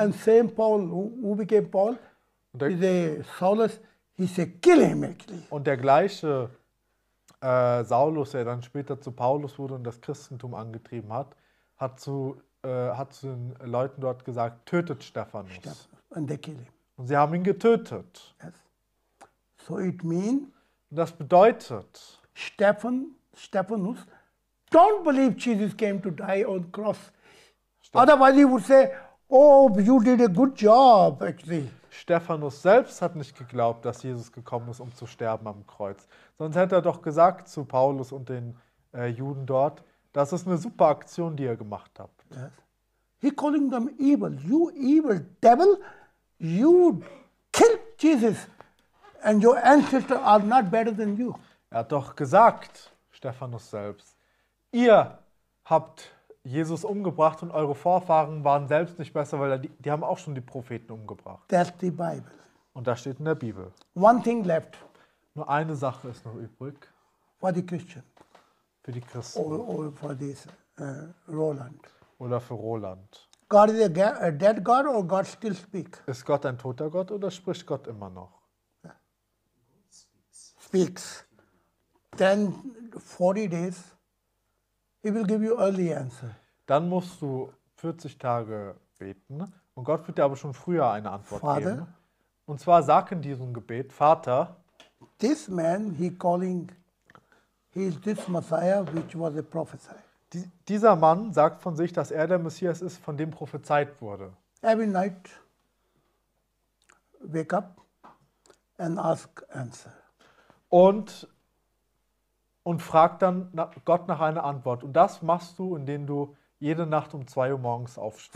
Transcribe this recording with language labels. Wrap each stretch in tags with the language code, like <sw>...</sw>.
<en>And same Paul, who became Paul, Saulus, he said, kill him, actually.</en> <de>Und der gleiche Saulus, der dann später zu Paulus wurde und das Christentum angetrieben hat, hat zu den Leuten dort gesagt, tötet Stephanus.</de> <en>And they kill him.</en> <de>Und sie haben ihn getötet.</de> <en>Yes. So it means.</en> <de>Und das bedeutet.</de> <en>Stephanus, don't believe Jesus came to die on cross. Otherwise he would say, oh, you did a good job, actually.</en> <de>Stephanus selbst hat nicht geglaubt, dass Jesus gekommen ist, um zu sterben am Kreuz. Sonst hätte er doch gesagt zu Paulus und den Juden dort, das ist eine super Aktion, die ihr gemacht habt.</de> <en>Yes. He calling them evil. You evil devil, you killed Jesus. And your ancestors are not better than you.</en> <de>Er hat doch gesagt, Stephanus selbst, ihr habt Jesus umgebracht und eure Vorfahren waren selbst nicht besser, weil die haben auch schon die Propheten umgebracht.</de> <en>That's the Bible.</en> <de>Und das steht in der Bibel.</de> <en>One thing left.</en> <de>Nur eine Sache ist noch übrig.</de> <en>For the Christian.</en> <de>Für die Christen.</de> <en>Or for this Roland.</en> <de>Oder für Roland.</de> <en>God is a dead God or God still speak?</en> <de>Ist Gott ein toter Gott oder spricht Gott immer noch?</de> <en>Speaks, then 40 days, he will give you early answer.</en> <de>Dann musst du 40 Tage beten und Gott wird dir aber schon früher eine Antwort</de> <en>Father,</en> <de>geben. Und zwar sag in diesem Gebet, Vater,</de> <en>this man he calling, he is this Messiah which was a prophesy.</en> <de>Dieser Mann sagt von sich, dass er der Messias ist, von dem prophezeit wurde.</de> <en>Every night, wake up and ask answer.</en> <de>Und frag dann Gott nach einer Antwort. Und das machst du, indem du jede Nacht um 2 Uhr morgens aufstehst.</de>